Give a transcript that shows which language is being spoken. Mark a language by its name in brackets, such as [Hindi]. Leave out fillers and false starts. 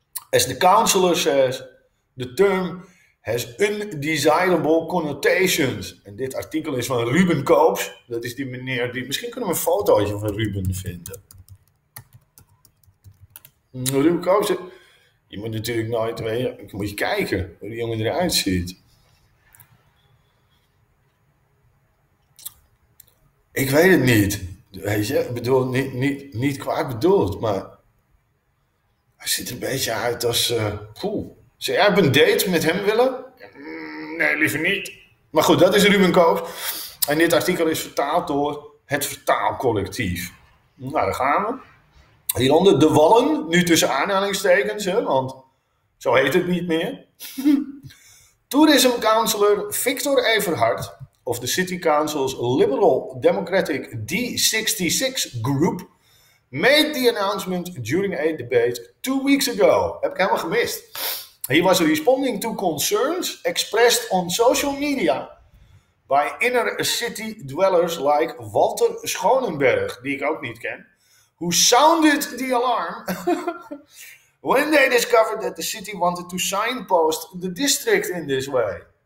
[English] As the councillor says, the term has undesirable connotations. [Dutch] En dit artikel is van Ruben Koops. Dat is die meneer die. Misschien kunnen we een fotootje van Ruben vinden. Ruben Koops. Je moet natuurlijk nooit weten. Ik moet je kijken hoe die jongen eruit ziet. Ik weet het niet. Weet je, ik bedoel, niet kwaad bedoeld, maar hij ziet er een beetje uit als. Zou jij een date met hem willen? Nee, liever niet. Maar goed, dat is Ruben Koops. En dit artikel is vertaald door het Vertaalcollectief. Nou, daar gaan we. Hieronder de Wallen, nu tussen aanhalingstekens, hè, want zo heet het niet meer. [English] Tourism Councillor Victor Everhart of the City Council's Liberal Democratic D66 Group made the announcement during a debate 2 weeks ago. [Dutch] Heb ik helemaal gemist. [English] He was responding to concerns expressed on social media by inner city dwellers like Walter Schonenberg, [Dutch] die ik ook niet ken, [English] who sounded the alarm when they discovered that the city wanted to signpost the district in this way.